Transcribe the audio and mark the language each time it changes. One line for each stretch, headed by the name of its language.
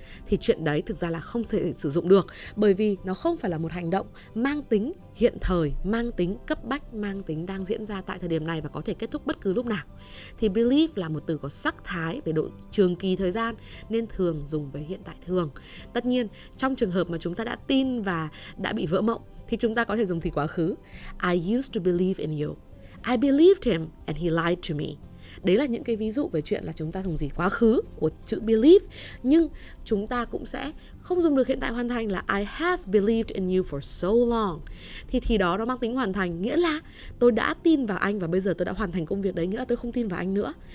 Vietnamese: Thì chuyện đấy thực ra là không thể sử dụng được, bởi vì nó không phải là một hành động mang tính hiện thời, mang tính cấp bách, mang tính đang diễn ra tại thời điểm này và có thể kết thúc bất cứ lúc nào. Thì believe là một từ có sắc thái về độ trường kỳ thời gian nên thường dùng với hiện tại thường. Tất nhiên trong trường hợp mà chúng ta đã tin và đã bị vỡ mộng thì chúng ta có thể dùng thì quá khứ.
English: I used to believe in you. I believed him and he lied to me.
Vietnamese: Đấy là những cái ví dụ về chuyện là chúng ta dùng gì quá khứ của chữ believe. Nhưng chúng ta cũng sẽ không dùng được hiện tại hoàn thành là
English: I have believed in you for so long.
Vietnamese: Thì đó nó mang tính hoàn thành, nghĩa là tôi đã tin vào anh và bây giờ tôi đã hoàn thành công việc đấy, nghĩa là tôi không tin vào anh nữa.